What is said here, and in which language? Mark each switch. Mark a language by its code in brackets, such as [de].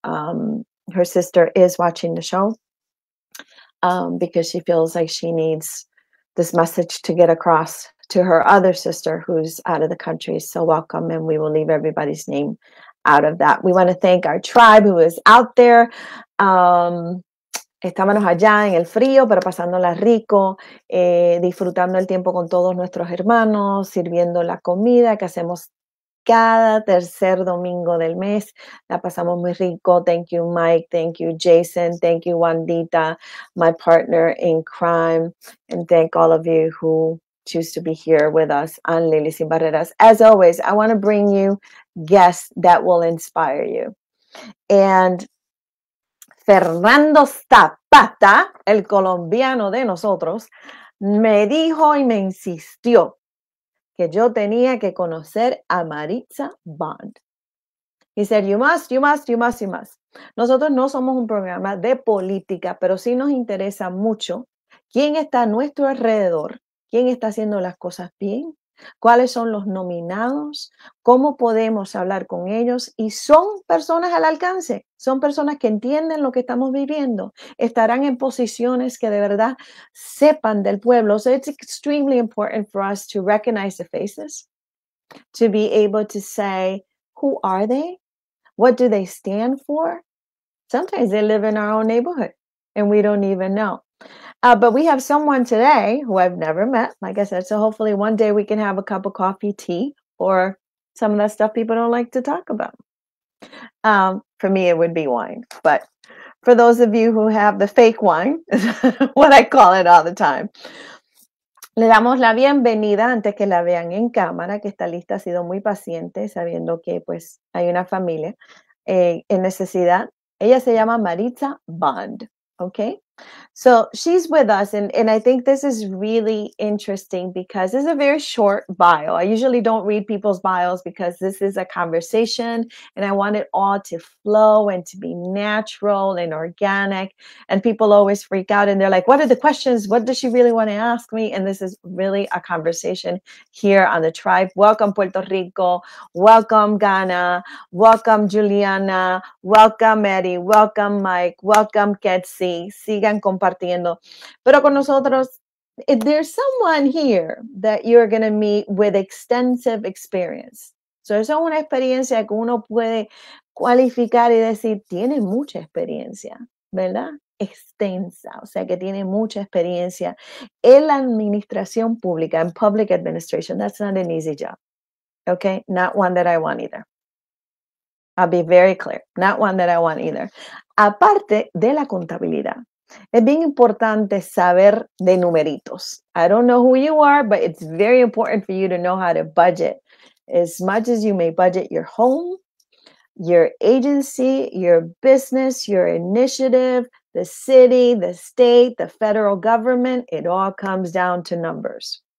[en] Her sister is watching the show because she feels like she needs this message to get across to her other sister who's out of the country. So welcome, and we will leave everybody's name out of that. We want to thank our tribe who is out there. [es] Estábamos allá en el frío, pero pasándola rico, disfrutando el tiempo con todos nuestros hermanos, sirviendo la comida que hacemos cada tercer domingo del mes. [en] La pasamos muy rico. Thank you, Mike. Thank you, Jason. Thank you, Wandita, my partner in crime. And thank all of you who choose to be here with us on Lili Sin Barreras. As always, I want to bring you guests that will inspire you. [es] And Fernando Zapata, el colombiano de nosotros, me dijo y me insistió que yo tenía que conocer a Maritza Bond. [en] He said, you must, you must, you must, you must. [es] Nosotros no somos un programa de política, pero sí nos interesa mucho quién está a nuestro alrededor, quién está haciendo las cosas bien, cuáles son los nominados, cómo podemos hablar con ellos. Y son personas al alcance, son personas que entienden lo que estamos viviendo, estarán en posiciones que de verdad sepan del pueblo. [en] So it's extremely important for us to recognize the faces, to be able to say, who are they? What do they stand for? Sometimes they live in our own neighborhood and we don't even know. But we have someone today who I've never met, like I said, so hopefully one day we can have a cup of coffee, tea, or some of that stuff people don't like to talk about. For me, it would be wine. But for those of you who have the fake wine, what I call it all the time. [es] Le damos la bienvenida antes que la vean en cámara, que esta lista ha sido muy paciente, sabiendo que pues hay una familia en necesidad. Ella se llama Maritza Bond. [en] Okay, so she's with us, and I think this is really interesting because it's a very short bio. I usually don't read people's bios because this is a conversation and I want it all to flow and to be natural and organic. And people always freak out and they're like, what are the questions? What does she really want to ask me? And this is really a conversation here on the tribe. Welcome, Puerto Rico. Welcome, Ghana. Welcome, Juliana. Welcome, Eddie. Welcome, Mike. Welcome, [es] Ketsi. Sigan compartiendo. Pero con nosotros, [en] if there's someone here that you're going to meet with extensive experience. [es] So es una experiencia que uno puede cualificar y decir, tiene mucha experiencia, ¿verdad? Extensa, o sea que tiene mucha experiencia en la administración pública, en [en] public administration. That's not an easy job, okay? Not one that I want either. I'll be very clear, not one that I want either. [es] Aparte de la contabilidad, es bien importante saber de numeritos. [en] I don't know who you are, but it's very important for you to know how to budget. As much as you may budget your home, your agency, your business, your initiative, the city, the state, the federal government, it all comes down to numbers.